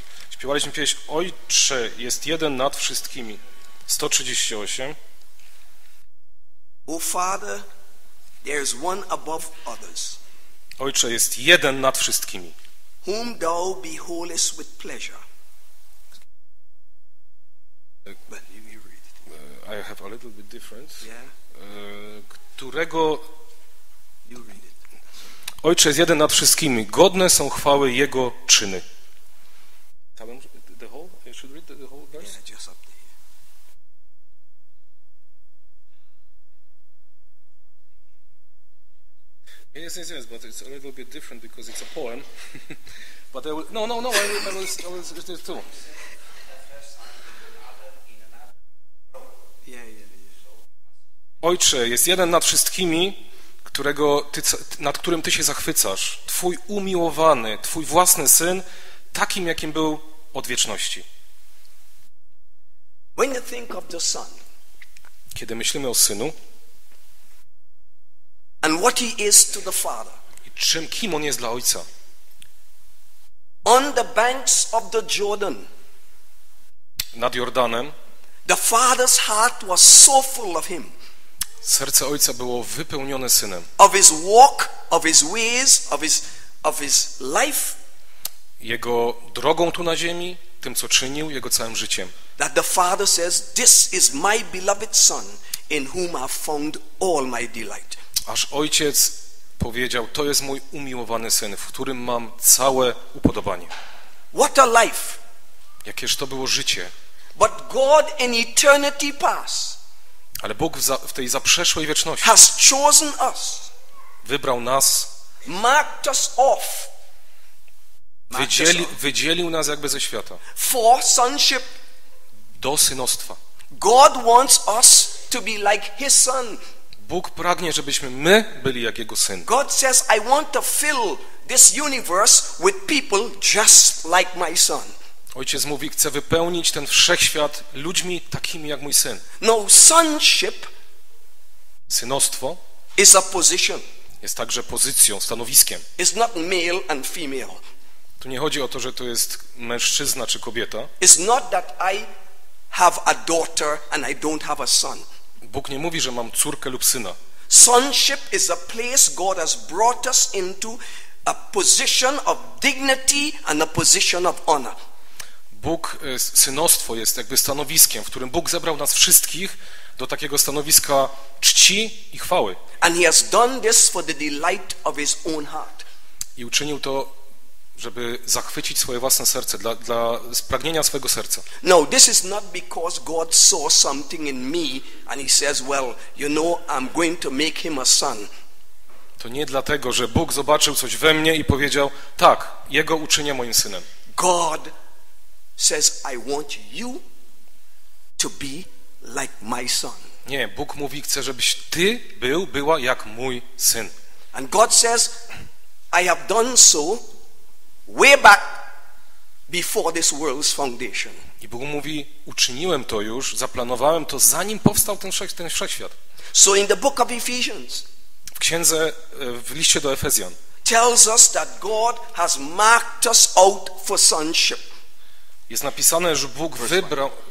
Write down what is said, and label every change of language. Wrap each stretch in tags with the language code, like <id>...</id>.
<pl>Śpiewaliśmy pieśń Ojcze jest jeden nad wszystkimi. 138.</pl> <en>O Father, there is one above others.</en> <pl>Ojcze jest jeden nad wszystkimi.</pl> <en>Whom thou beholdest with pleasure. But you read it. I have a little bit different. Yeah.</en> <pl>Którego.</pl> <en>You read it.</en> <pl>Ojcze jest jeden nad wszystkimi. Godne są chwały jego czyny.</pl> <en>The whole? You should read the whole verse? Yeah, just up there. Yes, but it's a little bit different because it's a poem. But I will, no, I will read it too. Yeah.</en> <pl>Ojcze jest jeden nad wszystkimi, którego ty, nad którym ty się zachwycasz, twój umiłowany, twój własny syn, takim jakim był od wieczności.</pl> <en>When you think of the son,</en> <pl>kiedy myślimy o synu,</pl> <en>and what he is to the father,</en> <pl>i czym, kim on jest dla ojca,</pl> <en>on the banks of the Jordan,</en> <pl>nad Jordanem,</pl> <en>the father's heart was so full of him.</en> <pl>Serce ojca było wypełnione synem.</pl> <en>Of his walk, of his ways, of his life.</en> <pl>Jego drogą tu na ziemi, tym co czynił, jego całym życiem.</pl> <en>That the father says, "This is my beloved son, in whom I found all my delight."</en> <pl>Aż ojciec powiedział, to jest mój umiłowany syn, w którym mam całe upodobanie.</pl> <en>What a life!</en> <pl>Jakież to było życie.</pl> <en>But God in eternity past.</en> <pl>Ale Bóg w tej zaprzeszłej wieczności</pl> <en>has chosen us,</en> <pl>wybrał nas,</pl> <en>marked us off,</en> <pl>wydzielił nas jakby ze świata</pl> <en>for sonship,</en> <pl>do synostwa.</pl> <en>God wants us to be like his son.</en> <pl>Bóg pragnie, żebyśmy my byli jak jego syn.</pl> <en>God says, I want to fill this universe with people just like my son.</en> <pl>Ojciec mówi, chcę wypełnić ten wszechświat ludźmi takimi jak mój syn.</pl> <en>No, sonship,</en> <pl>synostwo,</pl> <en>is a position.</en> <pl>Jest także pozycją, stanowiskiem.</pl> <en>It's not male and female.</en> <pl>Tu nie chodzi o to, że to jest mężczyzna czy kobieta.</pl> <en>It's not that I have a daughter and I don't have a son.</en> <pl>Bóg nie mówi, że mam córkę lub syna.</pl> <en>Sonship is a place God has brought us into, a position of dignity and a position of honor.</en> <pl>Bóg, synostwo jest jakby stanowiskiem, w którym Bóg zebrał nas wszystkich do takiego stanowiska czci i chwały.</pl> <en>And he has done this for the delight of his own heart.</en> <pl>I uczynił to, żeby zachwycić swoje własne serce, dla spragnienia swojego serca.</pl> <en>No, this is not because God saw something in me and he says, well, you know, I'm going to make him a son.</en> <pl>To nie dlatego, że Bóg zobaczył coś we mnie i powiedział, tak, jego uczynię moim synem.</pl> <en>God says, I want you to be like my son.</en> <pl>Nie, Bóg mówi, chcę, żebyś ty był, była jak mój syn.</pl> <en>And God says, I have done so way back before this world's foundation.</en> <pl>I Bóg mówi, uczyniłem to już, zaplanowałem to, zanim powstał ten wszechświat.</pl> <en>So in the book of Ephesians,</en> <pl>w księdze, w liście do Efezjan,</pl> <en>tells us that God has marked us out for sonship.</en> <pl>Jest napisane, że Bóg wybrał.</pl>